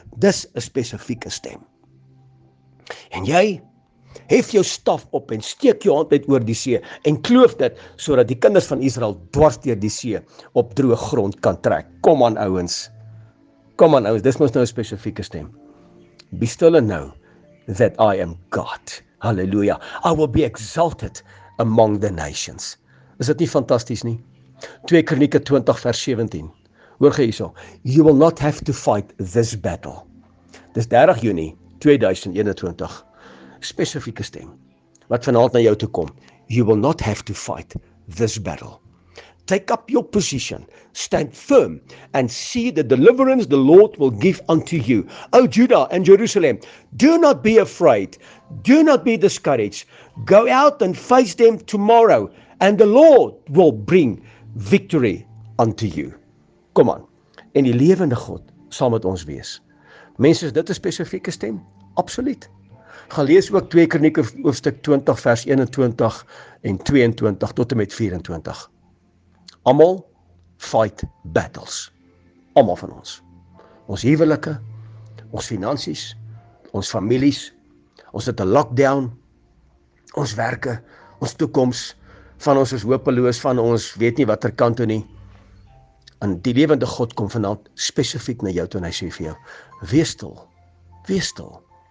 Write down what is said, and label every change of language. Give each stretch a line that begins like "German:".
Afrikaans: Dis 'n spesifieke stem. En jy, hef jou staf op en steek jou hand uit oor die see en kloof dit sodat die kinders van Israel dwars deur die see op droë grond kan trek. Kom aan ouens. Kom aan ouens, dis mos nou 'n spesifieke stem.
English: Be still and know that I am God. Halleluja. I will be exalted among the nations.
Afrikaans: Is dit nie fantasties nie? 2 Kronieke 20 vers 17. Hoor gee hierso.
English: You will not have to fight this battle.
Afrikaans: Dis 30 Junie 2021. Spesifieke stem, wat vanavond na jou toe kom.
English: You will not have to fight this battle. Take up your position, stand firm, and see the deliverance the Lord will give unto you. O Judah and Jerusalem, do not be afraid, do not be discouraged. Go out and face them tomorrow, and the Lord will bring victory unto you.
Afrikaans: Kom aan, en die lewende God sal met ons wees. Mense, is dit 'n spesifieke stem? Absoluut. Gaan lees ook 2 Kronieke hoofstuk 20 vers 21 en 22 tot en met 24. Almal fight battles. Almal van ons. Ons huwelike, ons finansies, ons families, ons het 'n lockdown, ons werke, ons toekoms, van ons is hopeloos, van ons weet nie watter kant toe nie. En die lewende God kom vanaand spesifiek na jou toe en hy sê vir jou, wees stil, wees stil.